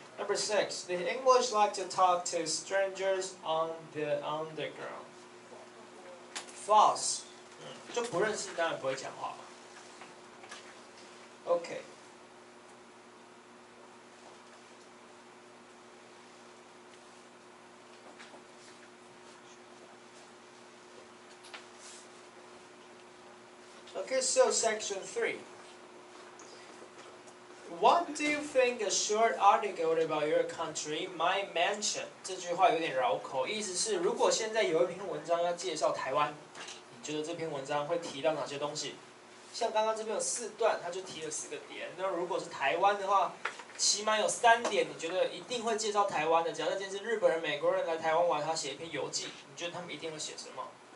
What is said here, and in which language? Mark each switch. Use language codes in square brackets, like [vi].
[en] Number six, the English like to talk to strangers on the underground. False. [zh] 就不认识当然不会讲话嘛。 [en] Okay. Okay, so section 3. What do you think a short article about your country might mention? [zh] 这句话有点绕口，意思是如果现在有一篇文章要介绍台湾，你觉得这篇文章会提到哪些东西？像刚刚这边有四段，他就提了四个点。那如果是台湾的话，起码有三点你觉得一定会介绍台湾的。假设今天是日本人、美国人来台湾玩，他写一篇游记，你觉得他们一定会写什么？